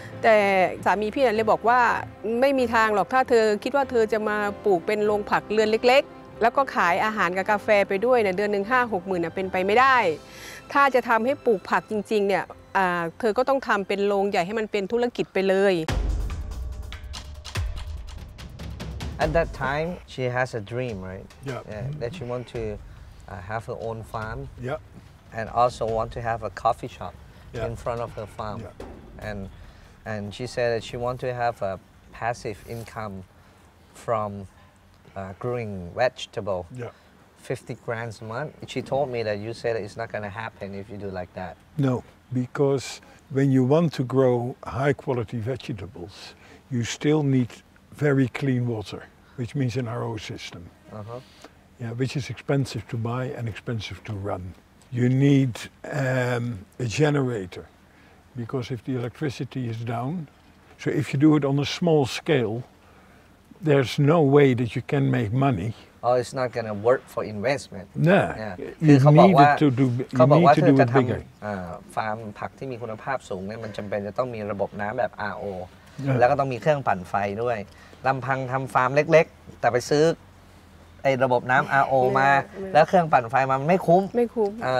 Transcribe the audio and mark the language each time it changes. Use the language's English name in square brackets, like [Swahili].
[Thai] แต่สามีพี่เลยบอกว่าไม่มีทางหรอกถ้าเธอคิดว่าเธอจะมาปลูกเป็นโรงผักเรือนเล็กๆแล้วก็ขายอาหารกับกาแฟไปด้วยเนี่ยเดือนนึง 5-60,000 น่ะเป็นไปไม่ได้ถ้าจะทำให้ปลูกผักจริงๆเนี่ยเธอก็ต้องทำเป็นโรงใหญ่ให้มันเป็นธุรกิจไปเลย [English] At that time she has a dream right yeah that she want to have her own farm yeah and also want to have a coffee shop yeah. in front of her farm yeah. And she said that she wants to have a passive income from growing vegetable, yeah. 50 grand a month. She told me that you said it's not going to happen if you do like that. No, because when you want to grow high quality vegetables, you still need very clean water, which means an RO system, uh-huh. yeah, which is expensive to buy and expensive to run. You need a generator. Because if the electricity is down, so if you do it on a small scale, there's no way that you can make money. Oh, it's not going to work for investment. No. Yeah. You need to do it bigger. You need to do it bigger. [Thai] Farm ผักที่มีคุณภาพสูงเนี่ยมันจำเป็นจะต้องมีระบบน้ำแบบ RO แล้วก็ต้องมีเครื่องปั่นไฟด้วยลำพังทำฟาร์มเล็กๆแต่ไปซื้อไอ้ระบบน้ำ RO มาแล้วเครื่องปั่นไฟมันไม่คุ้ม ไม่คุ้ม